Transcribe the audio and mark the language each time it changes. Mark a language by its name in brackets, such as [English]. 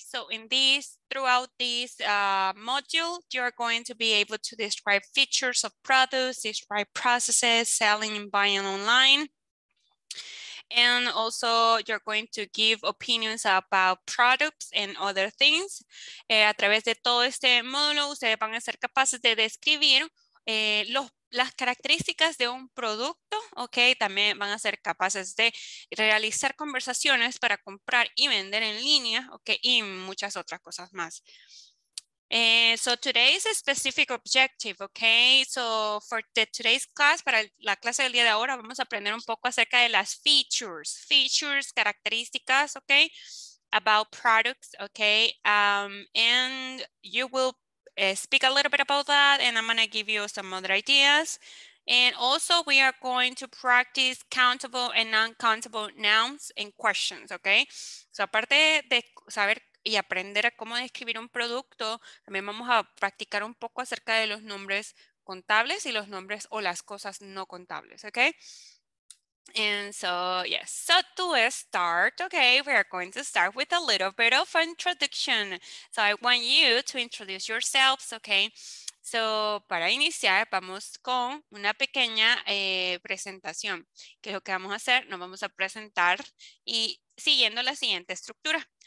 [English] So in this, throughout this module, you're going to be able to describe features of products, describe processes, selling and buying online. And also you're going to give opinions about products and other things. [Spanish] A través de todo este módulo, ustedes van a ser capaces de describir las características de un producto, ok. También van a ser capaces de realizar conversaciones para comprar y vender en línea, ok, y muchas otras cosas más. [English] So today is a specific objective, okay? So for the today's class, [Spanish] para la clase del día de ahora, vamos a aprender un poco acerca de las features, features, características, okay? [English] About products, okay? And you will speak a little bit about that, and I'm gonna give you some other ideas. And also we are going to practice countable and non-countable nouns and questions, okay? [Spanish] So aparte de saber y aprender a cómo describir un producto, también vamos a practicar un poco acerca de los nombres contables y los nombres o las cosas no contables, okay? [English] And so, yes, so to start, okay, we are going to start with a little bit of introduction. So I want you to introduce yourselves, okay? [Spanish] So, para iniciar, vamos con una pequeña presentación, que lo que vamos a hacer, nos vamos a presentar y siguiendo la siguiente estructura.